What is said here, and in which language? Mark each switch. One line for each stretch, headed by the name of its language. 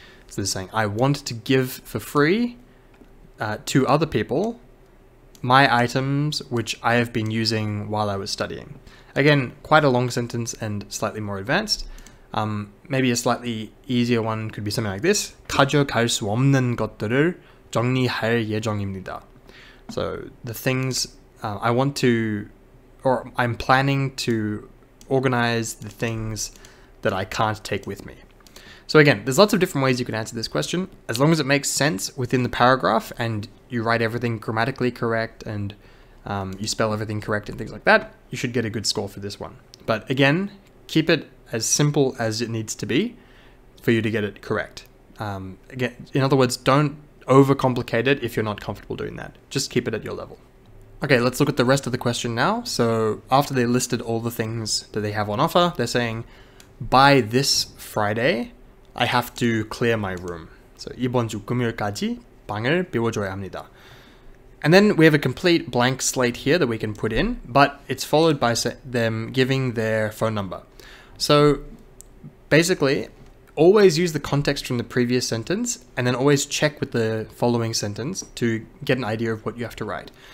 English: So they're saying, I want to give for free to other people my items which I have been using while I was studying. Again, quite a long sentence and slightly more advanced. Maybe a slightly easier one could be something like this.
Korean: 가져갈 수 없는 것들을 정리할 예정입니다.
English: So the things I want to, or I'm planning to organize the things that I can't take with me. So again, there's lots of different ways you can answer this question. As long as it makes sense within the paragraph and you write everything grammatically correct and you spell everything correct and things like that, you should get a good score for this one. But again, keep it as simple as it needs to be for you to get it correct. Again, in other words, don't overcomplicate it if you're not comfortable doing that. Just keep it at your level. Okay, let's look at the rest of the question now. So after they listed all the things that they have on offer, they're saying, by this Friday, I have to clear my room.
Korean: So 이번 주 금요일까지 방을 비워줘야 합니다.
English: And then we have a complete blank slate here that we can put in, but it's followed by them giving their phone number. So basically, always use the context from the previous sentence and then always check with the following sentence to get an idea of what you have to write.